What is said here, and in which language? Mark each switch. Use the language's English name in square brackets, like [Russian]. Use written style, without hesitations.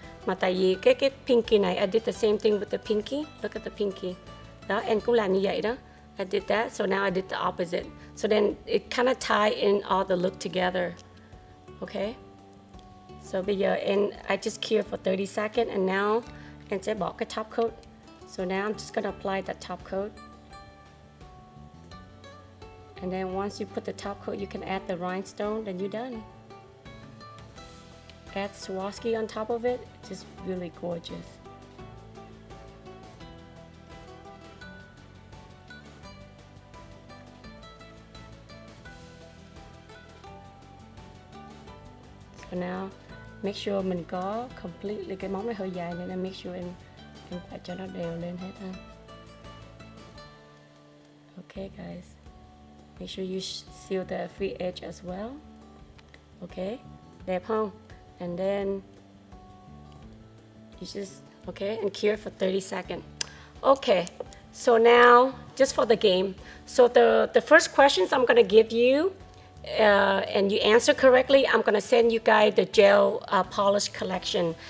[Vietnamese] Mà tại vì cái pinky này, [English] I did the same thing with the pinky. Look at the pinky. [Vietnamese] Đó, [English] and [Vietnamese] cũng làm như vậy đó. [English] I did that, so now I did the opposite. So then it kind of tie in all the look together. Okay? So [Vietnamese] bây giờ, [English] and I just cure for 30 seconds, and now, and [Vietnamese] sẽ bỏ cái [English] top coat. So now I'm just gonna apply that top coat. And then once you put the top coat, you can add the rhinestone, then you're done. Add Swarovski on top of it, just really gorgeous. [Vietnamese] So now, make sure mình có completely cái móng nó hơi dài nên make sure em phải cho nó đều lên hết ha. [English] Okay, guys, make sure you seal the free edge as well. Okay, [Vietnamese] đẹp không? [English] And then you just, okay, and cure for 30 seconds. Okay, so now just for the game. So the first questions I'm gonna give you and you answer correctly, I'm gonna send you guys the gel polish collection.